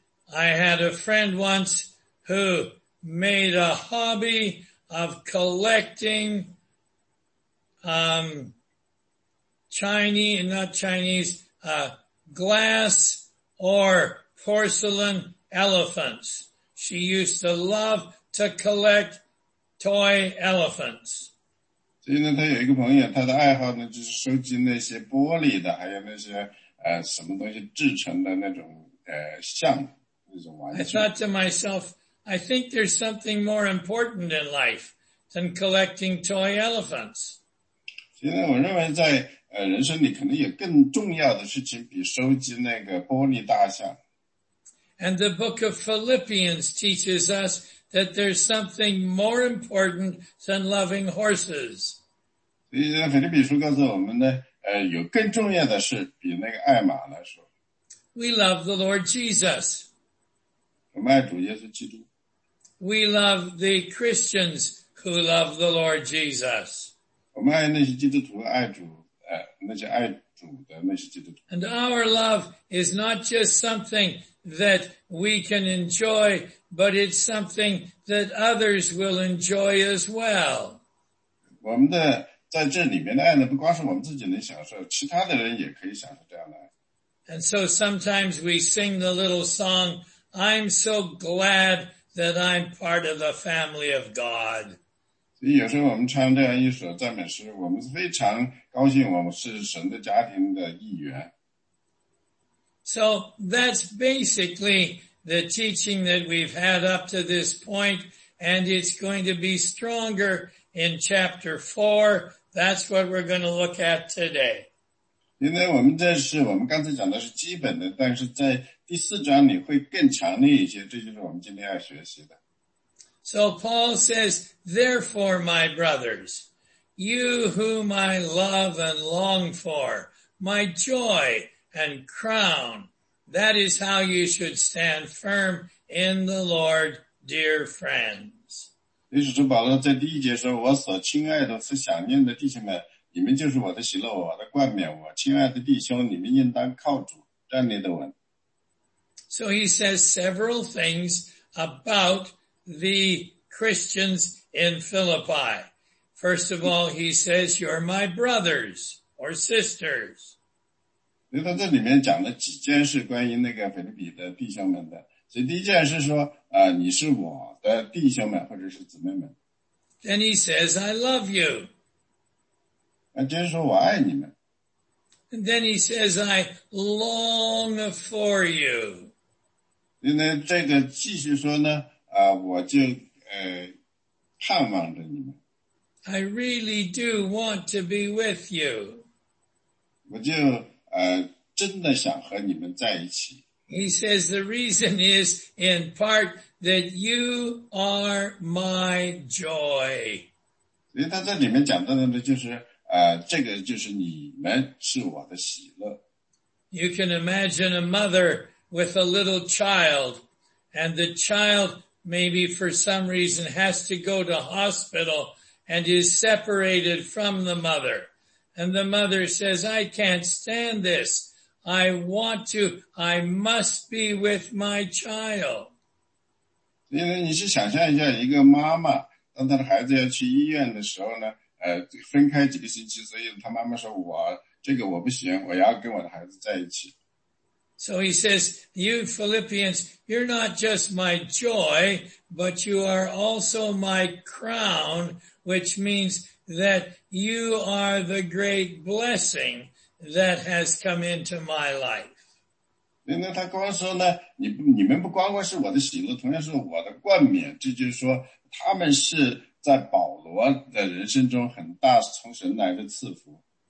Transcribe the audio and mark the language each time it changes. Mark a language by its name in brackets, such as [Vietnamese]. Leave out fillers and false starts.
[English] I had a friend once who made a hobby of collecting, glass or porcelain elephants. She used to love to collect toy elephants. [Chinese] 所以呢他有一个朋友，他的爱好呢就是收集那些玻璃的还有那些什么东西制成的那种像那种玩具。 [English] I thought to myself, I think there's something more important in life than collecting toy elephants. [Chinese] 所以呢我认为在人生里可能有更重要的事情比收集那个玻璃大象。 [English] And the book of Philippians teaches us,that there's something more important than loving horses. [Chinese] 所以腓立比书告诉我们呢有更重要的事比那个爱马来说。 [English] We love the Lord Jesus. [Chinese] 我们爱主耶稣基督。 [English] We love the Christians who love the Lord Jesus. [Chinese] 我们爱那些基督徒爱主那些爱主的那些基督徒。 [English] And our love is not just something that we can enjoy,But it's something that others will enjoy as well. [Chinese] 我们的在这里面的爱呢不光是我们自己能享受，其他的人也可以享受这样的爱。 [English] And so sometimes we sing the little song, I'm so glad that I'm part of the family of God. [Chinese] 有时候我们唱这样一首赞美诗，我们非常高兴我们是神的家庭的一员。 [English] So that's basically the teaching that we've had up to this point, and it's going to be stronger in chapter 4. That's what we're going to look at today. [Chinese] 因为我们这是我们刚才讲的是基本的，但是在第四章里会更强烈一些，这就是我们今天要学习的。 [English] So Paul says, therefore, my brothers, you whom I love and long for, my joy and crown, that is how you should stand firm in the Lord, dear friends. [Chinese] 于是主保罗在第一节说，我所亲爱的、所想念的弟兄们，你们就是我的喜乐、我的冠冕。我亲爱的弟兄，你们应当靠主站立的稳。 [English] So he says several things about the Christians in Philippi. First of all, he says, you're my brothers or sisters. [Chinese] 所以他这里面讲了几件事关于那个腓立比的弟兄们的。所以第一件事说啊，你是我的弟兄们或者是姊妹们。 [English] Then he says, I love you. [Chinese] 那接着说我爱你们。 [English] And then he says, I long for you. [Chinese] 因为这个继续说呢啊，我就盼望着你们。 [English] I really do want to be with you. [Chinese] 我就真的想和你们在一起。 [English] He says the reason is in part that you are my joy. [Chinese] 所以他在里面讲到的就是这个就是你们是我的喜乐。 [English] You can imagine a mother with a little child, and the child maybe for some reason has to go to hospital and is separated from the mother. And the mother says, I can't stand this. I want to, I must be with my child. [Chinese] 因为你是想象一下一个妈妈当她的孩子要去医院的时候呢分开几个星期，所以她妈妈说我这个我不行，我要跟我的孩子在一起。 [English] So he says, you Philippians, you're not just my joy, but you are also my crown, which means that you are the great blessing that has come into my life. [Chinese] 因为他光说呢 你们不光光是我的喜乐，同样是我的冠冕，这就是说他们是在保罗的人生中很大从神来的赐福。